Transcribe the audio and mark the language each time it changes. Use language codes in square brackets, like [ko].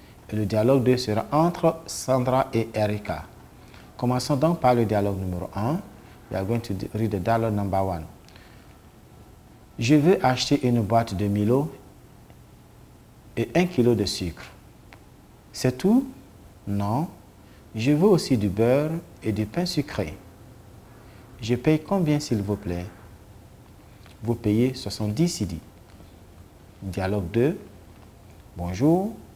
[fr] Et le dialogue 2 sera entre Sandra et Erika. Commençons donc par le dialogue numéro 1. [en] We are going to read the dialogue number 1. [fr] Je veux acheter une boîte de Milo et 1 kg de sucre. C'est tout? Non. Je veux aussi du beurre et du pain sucré. Je paye combien, s'il vous plaît? Vous payez 70 cedis. Dialogue 2. Bonjour.